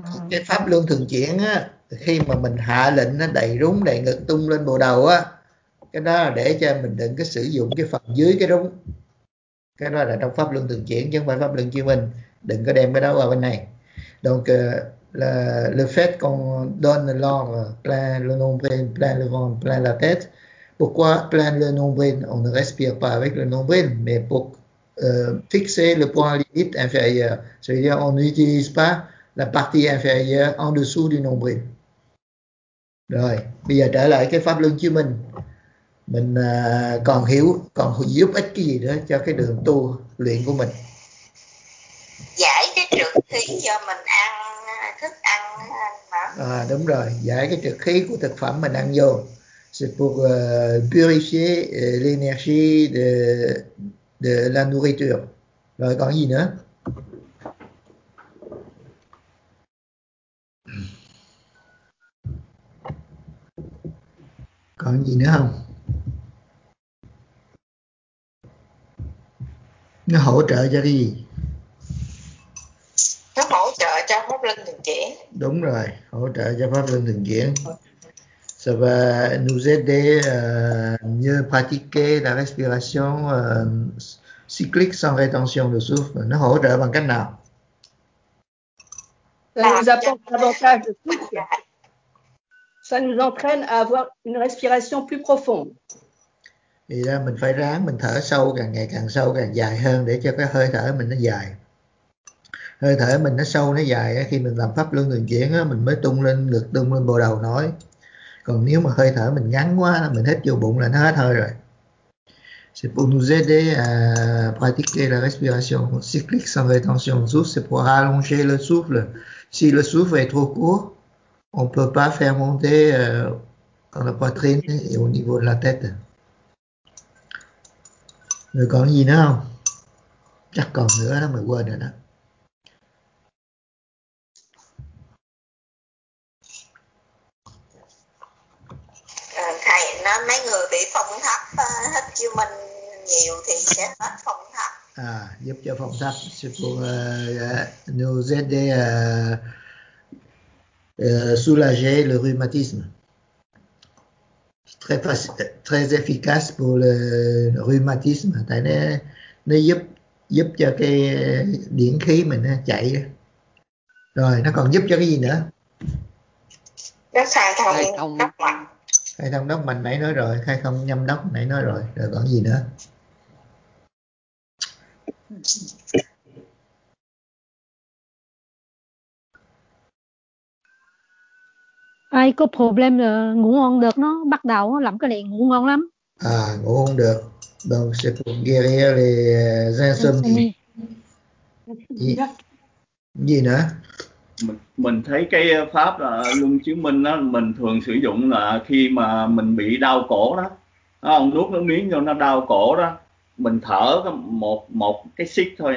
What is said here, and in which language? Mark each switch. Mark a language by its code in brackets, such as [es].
[vi] Cái pháp luân thường chuyển á, khi mà mình hạ lệnh nó đầy rúng đầy ngực tung lên bộ đầu á, cái đó là để cho mình đừng có sử dụng cái phần dưới cái rúng, cái đó là trong pháp luân thường chuyển chứ không phải pháp luân chuyên mình, đừng có đem cái đó qua bên này. [fr] Donc le fait qu'on donne l'ordre plein le nombril, plein le ventre, plein la tête. Pourquoi plein le nombril? On ne respire pas avec le nombril, mais pour fixer le point limite inférieur. C'est-à-dire on n'utilise pas la partie inférieure en dessous du nombril. [vi] Rồi, bây giờ trở lại cái pháp luân chiếu mình. Mình còn hiểu, còn giúp ích cái gì nữa cho cái đường tu luyện của mình. Giải cái trược khí cho mình ăn, thức ăn mà. À, đúng rồi, giải cái trược khí của thực phẩm mình ăn vô. [fr] C'est pour purifier l'énergie de la nourriture. [vi] Rồi, còn gì nữa? Còn gì nữa không? Nó hỗ trợ cho cái gì? Nó hỗ trợ cho pháp luân thường chuyển. Đúng rồi, hỗ trợ cho pháp luân thường chuyển. [fr] Ça va nous aider à mieux pratiquer la respiration cyclique sans rétention de souffle. [vi] Nó hỗ trợ bằng cách nào? [fr] Ça nous entraîne à avoir une respiration plus profonde. [vi] Thì là mình phải ráng mình thở sâu càng ngày càng sâu càng dài hơn để cho cái hơi thở mình nó dài. hơi thở mình nó sâu nó dài, khi mình làm pháp luân thường chuyển mình mới tung lên ngực, tung lên bồ đầu nói. Còn nếu mà hơi thở mình ngắn quá, mình hít vô bụng là nó hết hơi rồi. [fr] C'est pour nous aider à pratiquer la respiration cyclique sans rétention de souffle, c'est pour allonger le souffle. Si le souffle est trop court, on ne peut pas faire monter dans la poitrine et au niveau de la tête. [vi] Rồi còn gì nữa không? Chắc còn nữa đó, mày quên rồi đó. Thầy nói mấy người bị phong thấp hít chiêu mình nhiều thì sẽ hết phong thấp. À, giúp cho phong thấp. [fr] Sư phụ nous aider à soulager le rhumatisme. Très facile, très efficace pour le rhumatisme. [vi] Tại nó giúp cho cái điển khí mình chạy. Rồi nó còn giúp cho cái gì nữa? Nó khai thông đốc mạch. Khai thông đốc mạch nãy nói rồi, khai thông nhâm đốc nãy nói rồi. Rồi còn gì nữa? Ai có problem là ngủ ngon được, nó bắt đầu nó làm cái này ngủ ngon lắm. À, ngủ không được. [fr] Donc, c'est pour guérir les insomnies. [vi] Gì nữa? Mình thấy cái pháp là luân chuyển minh đó, mình thường sử dụng là khi mà mình bị đau cổ đó. Nó không nuốt nước miếng cho nó đau cổ đó. Mình thở một cái xích thôi.